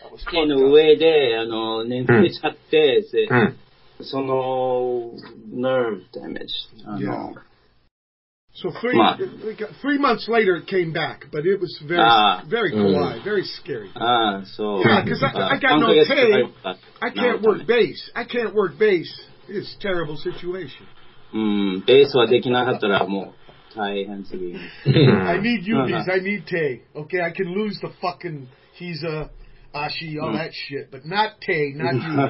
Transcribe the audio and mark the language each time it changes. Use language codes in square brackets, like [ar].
[ja] 手の上で眠れちゃって、そのナーブダメージ。 [en] So three months later it came back, but it was very kawaii, very scary. Because I got no pay. I can't work bass. It's a terrible situation. [ja] ベースはできなかったらもう。 [en] I need you, Biz. I need Tay. Okay, I can lose the fucking Hisa, Ashi, all that shit, but not Tay, not you.